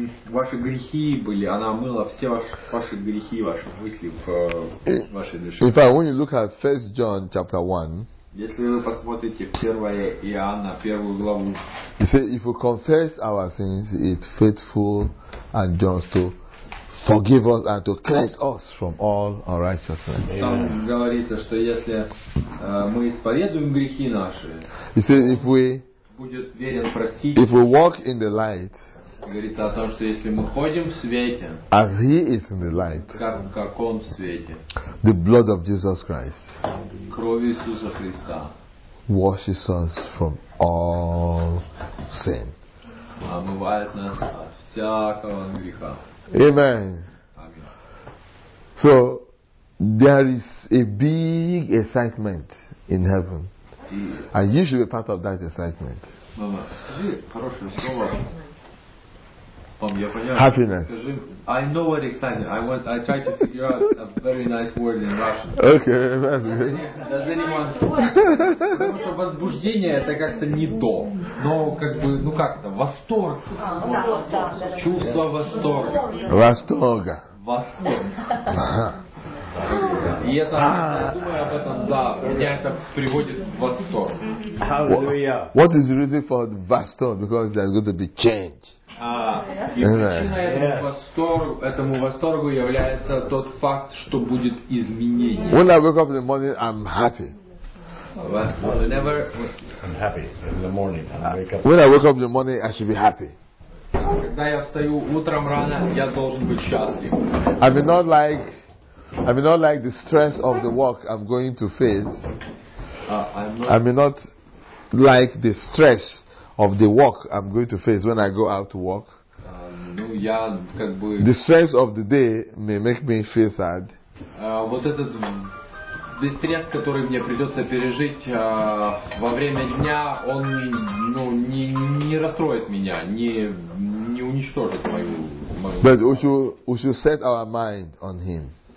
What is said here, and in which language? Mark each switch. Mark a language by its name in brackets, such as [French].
[Russian] Ваши грехи были, она мыла все ваши грехи, ваши мысли в вашей душе. [English] In fact, when you look at 1 John chapter 1, [Russian] если вы посмотрите в 1 Иоанна, первую главу, [English] you see, if we confess our sins, it's faithful and just to forgive us and to cleanse us from all unrighteousness. [Russian] Там говорится, что если мы исповедуем грехи наши, [English] you see, if we [Russian] будет верен простить, [English] if we walk in the light, [Russian] говорится о том, что если мы ходим в свете, [English] as he is in the light, [Russian] как он в свете, [English] the blood of Jesus Christ, [Russian] кровь Иисуса Христа, [English] washes us from all sin, [Russian] омывает нас от всякого греха. [English] Amen. So there is a big excitement in heaven, and you should be part of that excitement. [Russian] Мама, скажи хорошее слово. Мам, я понял. [English] Happiness. [Russian] Скажи, [English] I know what excitement. I try to figure out a very nice word in Russian. Okay. Does anyone? [Russian] Потому что возбуждение это как-то не то, но как бы ну как-то восторг. Чувство восторга. Восторга. Восторг. Ага. И это, я думаю об этом, да, меня это приводит в восторг. [English] Hallelujah. What is the reason for the восторг? Because there's going to be change. [Russian] Этому восторгу является тот факт, что будет изменение. [English] When I wake up in the morning, I'm happy. When I wake up in the morning, I should be happy. [Russian] Когда я встаю утром рано, я должен быть счастлив. [English] I may not like the stress of the work I'm going to face. I may not like the stress of the work I'm going to face when I go out to work. The stress of the day may make me feel sad. [Russian] Вот этот весь стресс, который мне придется пережить во время дня, он не расстроит меня, не уничтожит мою. [English] But we should set our mind on him.